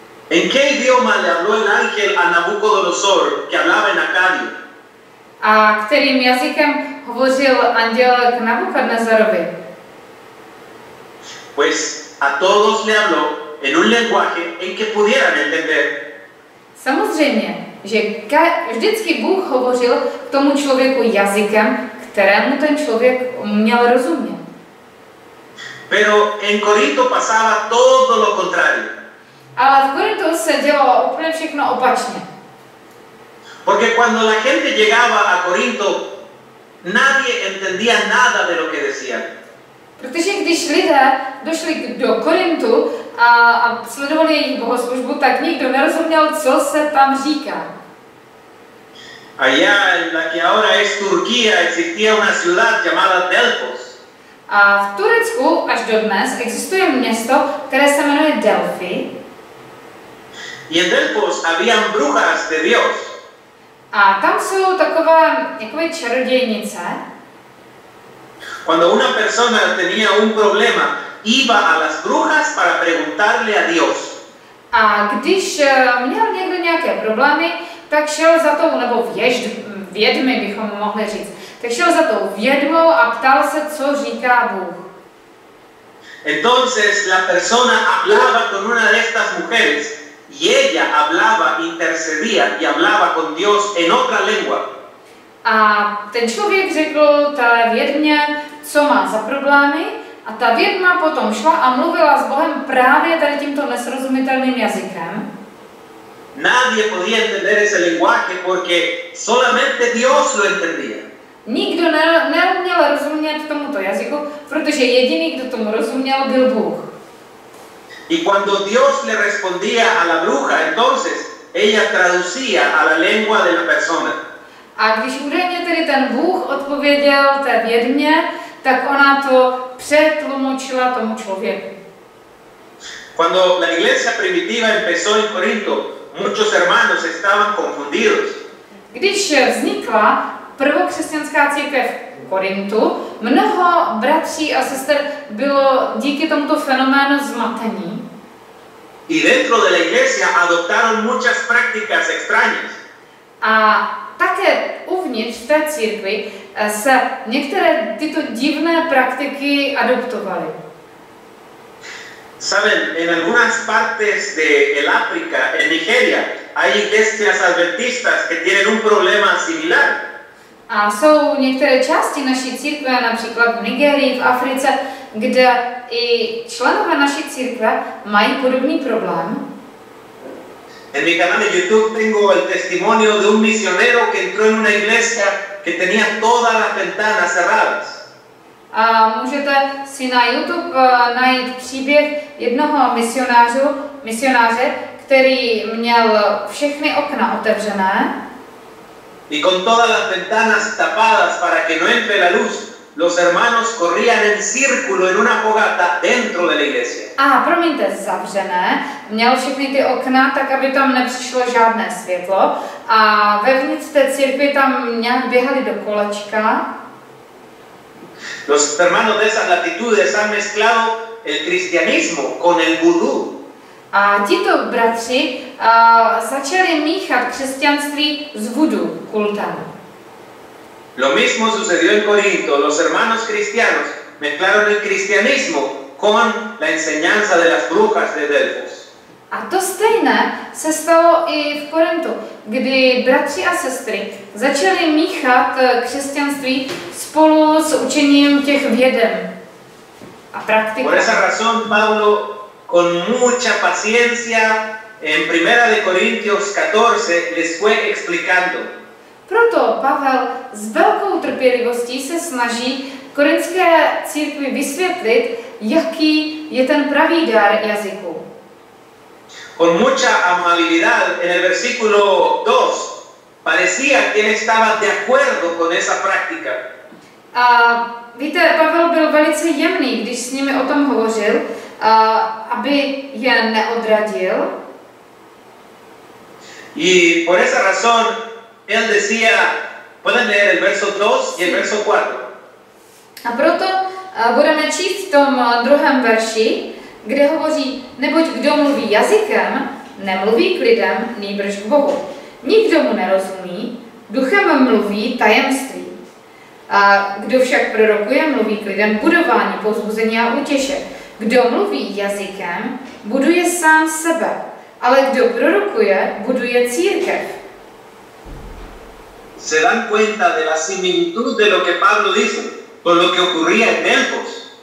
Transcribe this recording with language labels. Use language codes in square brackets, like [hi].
[es] ¿En qué idioma le habló el ángel a Nabucodonosor, que hablaba en acadio? [cs] A kterým jazykem hovořil anděl k Nabucodonosorovi? [es] Pues a todos le habló en un lenguaje en que pudieran entender. [cs] Samozřejmě, že vždycky Bůh hovořil k tomu člověku jazykem, kterému ten člověk měl rozumět. [es] Pero en Corinto pasaba todo lo contrario. [cs] Ale v Korintu se dělalo úplně všechno opačně. [es] Porque cuando la gente llegaba a Corinto, nadie entendía nada de lo que decían. [cs] Protože když lidé došli do Korintu a sledovali jejich bohoslužbu, tak nikdo nerozuměl, co se tam říká. [es] Allá en la que ahora es Turquía existía una ciudad llamada Delfos. [cs] A v Turecku až dodnes existuje město, které se jmenuje Delfi. [es] Y en Delfos habían brujas de Dios. [cs] A tam jsou takové jakoby čarodějnice. [es] Cuando una persona tenía un problema, iba a las brujas para preguntarle a Dios. [cs] A když měl někdo nějaké problémy, tak šel za tou, nebo vědmi bychom mohli říct, tak šel za tou vědmou a ptal se, co říká Bůh. [es] Entonces la persona hablaba con una de estas mujeres y ella hablaba, intercedía y hablaba con Dios en otra lengua. [cs] A ten člověk řekl té vědmě, co má za problémy, a ta vědma potom šla a mluvila s Bohem právě tady tímto nesrozumitelným jazykem. [es] Nadie podía entender ese lenguaje porque solamente Dios lo entendía. [cs] Nikdo neměl rozumět tomuto jazyku, protože jediný, kdo tomu rozuměl, byl Bůh. [es] Y cuando Dios le respondía a la bruja, entonces ella traducía a la lengua de la persona. [cs] A když údajně tedy ten Bůh odpověděl té vědmě, tak ona to přetlumočila tomu člověku. [es] Cuando la iglesia primitiva empezó en Corinto, muchos hermanos estaban confundidos. [cs] Když vznikla prvokřesťanská církev v Korintu, mnoho bratří a sester bylo díky tomuto fenoménu zmatení. [es] Y dentro de la iglesia adoptaron muchas prácticas extrañas. [cs] A také uvnitř té církvi se některé tyto divné praktiky adoptovaly. [es] Saben, en algunas partes de el África, en Nigeria, hay iglesias adventistas que tienen un problema similar. [cs] A jsou některé části naší církve, například v Nigérii, v Africe, kde i členové naší církve mají podobný problém. [es] En mi canal de YouTube tengo el testimonio de un misionero que entró en una iglesia que tenía todas las ventanas cerradas. [cs] A můžete si na YouTube najít příběh jednoho misionáře, který měl všechny okna otevřené. [es] Y con todas las ventanas tapadas para que no entre la luz, los hermanos corrían en círculo en una fogata dentro de la iglesia. [cs] Aha, promiňte, zavřené. Měl všechny ty okna, tak aby tam nepřišlo žádné světlo. A vevnitř té církvi tam nějak běhali do kolečka. [es] Los hermanos de esas latitudes han mezclado el cristianismo con el vudú. [cs] A tito bratři začali míchat křesťanství s vudu kultem. [es] Lo mismo sucedió en Corinto. Los hermanos cristianos mezclaron el cristianismo con la enseñanza de las brujas de Delfos. [cs] A to stejné se stalo i v Korintu, kdy bratři a sestry začali míchat křesťanství spolu s učením těch věden a praktiky. [es] Por esa razón Pablo con mucha paciencia en Primera de Corintios 14 les fue explicando. [cs] Proto Pavel s velkou trpělivostí se snaží korinské církvi vysvětlit, jaký je ten pravý dar jazyku. [es] Con mucha amabilidad en el versículo 2 parecía que él estaba de acuerdo con esa práctica. [cs] A víte, Pavel byl velice jemný, když s nimi o tom hovořil, aby je neodradil. [es] Y por esa razón él decía, pueden leer el verso 2 y el verso 4. [cs] A proto budeme číst v tom druhém verši, kde hovoří, neboť kdo mluví jazykem, nemluví k lidem, nýbrž k Bohu. Nikdo mu nerozumí, duchem mluví tajemství. A kdo však prorokuje, mluví k lidem budování, povzbuzení a utěše. Kdo mluví jazykem, buduje sám sebe, ale kdo prorokuje, buduje církev. [es] Se dan cuenta de la similitud de lo que Pablo dice con lo que ocurría en Delfos.